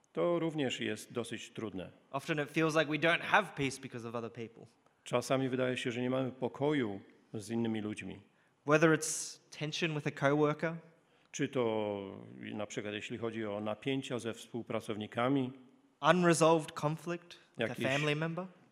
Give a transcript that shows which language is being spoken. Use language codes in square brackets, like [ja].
[pl] To również jest dosyć trudne. [en] Often it feels like we don't have peace because of other people. [pl] Czasami wydaje się, że nie mamy pokoju z innymi ludźmi. [en] Whether it's tension with a coworker, [pl] czy to na przykład jeśli chodzi o napięcia ze współpracownikami, [en] unresolved conflict with a family member,